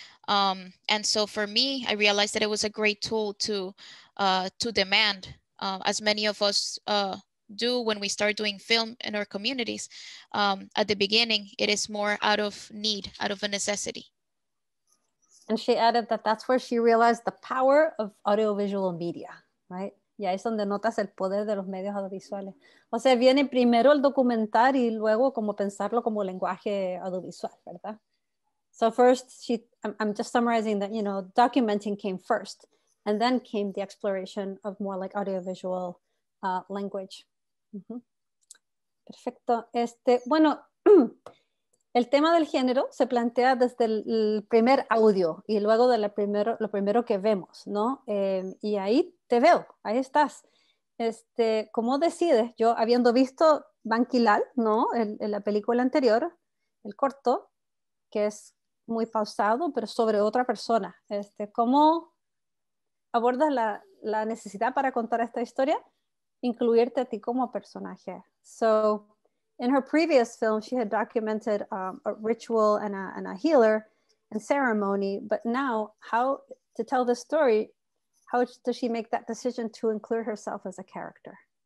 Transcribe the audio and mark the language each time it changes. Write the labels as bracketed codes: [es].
[en] And so for me, I realized that it was a great tool to demand, as many of us do when we start doing film in our communities. At the beginning, it is more out of need, out of a necessity. And she added that that's where she realized the power of audiovisual media, right? [es] Y ahí es donde notas el poder de los medios audiovisuales. O sea, viene primero el documental y luego como pensarlo como lenguaje audiovisual, ¿verdad? [en] So first, I'm just summarizing that, you know, documenting came first, and then came the exploration of more like audiovisual language. [es] Mm-hmm. Perfecto. Bueno, el tema del género se plantea desde el primer audio y luego de lo primero que vemos, ¿no? Y ahí te veo, ahí estás. ¿Cómo decides? Yo habiendo visto Banquilal, ¿no? En la película anterior, el corto, que es muy pausado, pero sobre otra persona. ¿Cómo abordas la necesidad para contar esta historia? Incluirte a ti como personaje. [en] So, in her previous film, she had documented a ritual and a healer and ceremony, but now, how to tell the story, how does she make that decision to include herself as a character?